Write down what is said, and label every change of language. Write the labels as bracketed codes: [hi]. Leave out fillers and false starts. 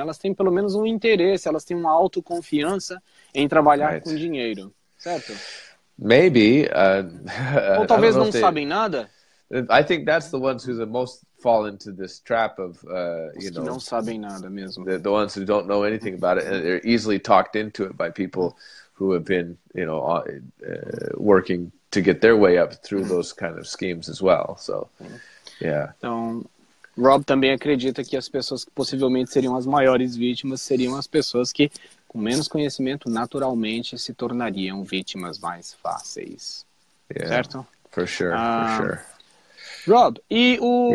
[pt] Elas têm pelo menos um interesse, elas têm uma autoconfiança em trabalhar com dinheiro, certo? [en] Maybe. [pt] Ou talvez não sabem nada. [en] I think that's the ones who the most fall into this trap of, [pt] não sabem nada mesmo. [en] The ones who don't know anything about it, and they're easily talked into it by people who have been, you know, working to get their way up through those kind of schemes as well. So, yeah. [pt] Então, Rob também acredita que as pessoas que possivelmente seriam as maiores vítimas seriam as pessoas que, com menos conhecimento, naturalmente se tornariam vítimas mais fáceis. [en] Yeah, [pt] certo? [en] For sure, for sure. [pt] Rob, e o